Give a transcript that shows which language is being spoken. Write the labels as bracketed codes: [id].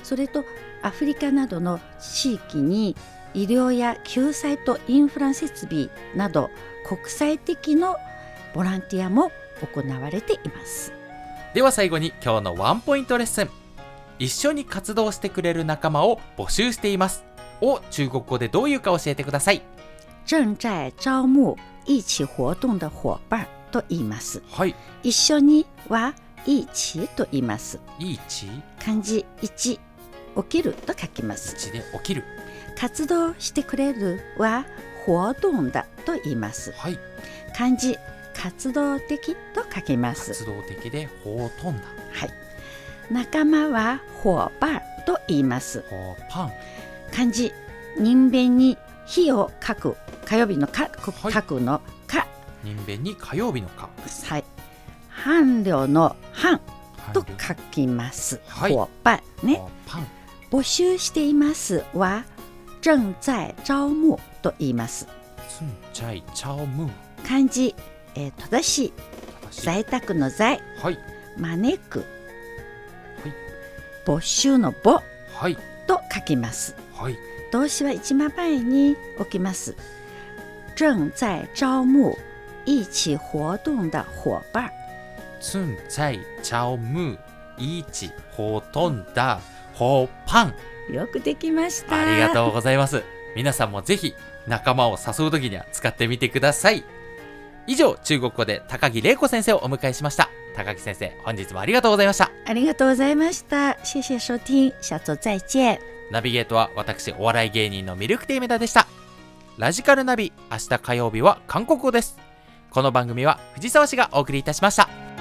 [ja] それとアフリカなどの地域に医療や救済とインフラ設備など国際的のボランティアも行われています。では最後に今日のワンポイントレッスン、一緒に活動してくれる仲間を募集していますを中国語でどういうか教えてください。 [zh] 正在招募一起活动的伙伴 [ja] と言います、はい、一緒には一起と言います。 [zh] 一起 [ja] 漢字一、起きると書きます。一で起きる。活動してくれるは活動だと言います、はい、漢字活動的と書きます。活動的で活動だ、はい、仲間は伙伴と言います。 [zh] 伙伴 [ja] 漢字人弁に日を書く、火曜日の火、書くの火、はい、人弁に火曜日の火、はい、伴侶の伴と書きます。伴侶、はい、 [zh] 伙伴ね。伙伴。 [ja] 募集していますは正在招募と言います。 [zh] 正在招募 [ja] 漢字、正しい、在宅の在、はい、招く、はい、募集の募、はい、と書きます。はい、動詞は一番前に置きます。 [zh] 正在招募一起活動的伙伴。正在招募一起活動的伙伴。 [ja] よくできました。ありがとうございます。皆さんもぜひ仲間を誘う時には使ってみてください。以上、中国語で高木玲子先生をお迎えしました。高木先生、本日もありがとうございました。ありがとうございました。 [zh] 谢谢收听、下周再见。 [ja] ナビゲートは私お笑い芸人のミルクティーメダでした。ラジカルナビ、明日火曜日は韓国語です。この番組は藤沢氏がお送りいたしました。